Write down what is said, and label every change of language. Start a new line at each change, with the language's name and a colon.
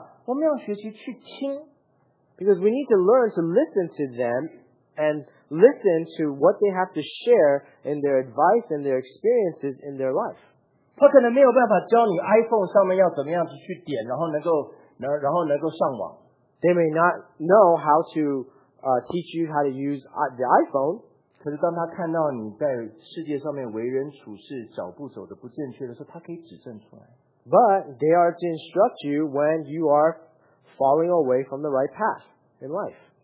Chinese: 他们用他们的爱和用他们人生的经验希望能够为你带来好处的话，我们要学习去听。
English: Because we need to learn to listen to them and listen to what they have to share in their advice and their experiences in their life.
Chinese: 他可能没有办法教你iPhone上面要怎么样去点，然后能够上网。
English: They may not know how to teach you how to use the iPhone.
Chinese: 可是当他看到你在世界上面为人处事脚步走得不正确的时候，他可以指正出来。
English: But they are to instruct you when you are falling away from the right path in life.